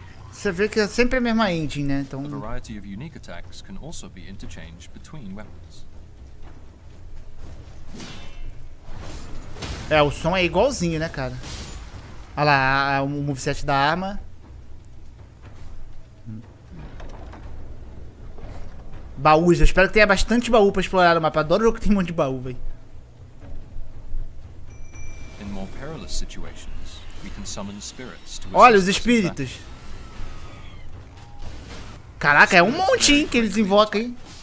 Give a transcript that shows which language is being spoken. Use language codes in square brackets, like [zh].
[pt] Você vê que é sempre a mesma engine, né? [en] Então... A variety of unique attacks can also be interchanged between weapons. [pt] É, o som é igualzinho, né, cara? Olha lá, o moveset da arma. Baús, eu espero que tenha bastante baú pra explorar no mapa. Adoro jogo que tem um monte de baú, véi. [en] In more perilous situations, we can summon spirits to assist. [pt] Olha os espíritos! Caraca, é um monte que eles invocam, hein?